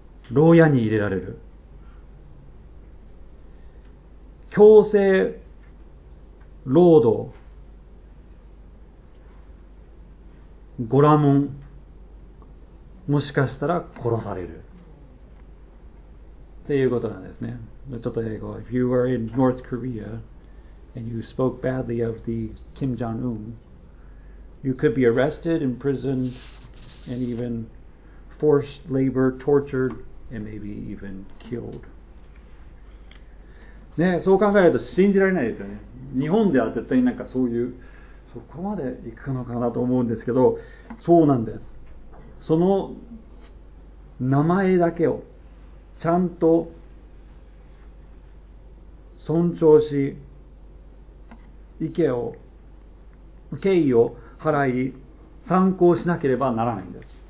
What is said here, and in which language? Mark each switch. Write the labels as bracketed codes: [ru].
[ja] 牢屋に入れられる、強制労働、ゴラモン、もしかしたら殺されるっていうことなんですね。ちょっと英語、 [en] If you were in North Korea and you spoke badly of the Kim Jong-un, you could be arrested, imprisoned, and even forced labor, tortured, and maybe even killed. [ja] ね、そう考えると信じられないですよね。日本では絶対なんかそういうそこまで行くのかなと思うんですけど、そうなんです。その名前だけをちゃんと尊重し、意見を、敬意を払い、参考しなければならないんです。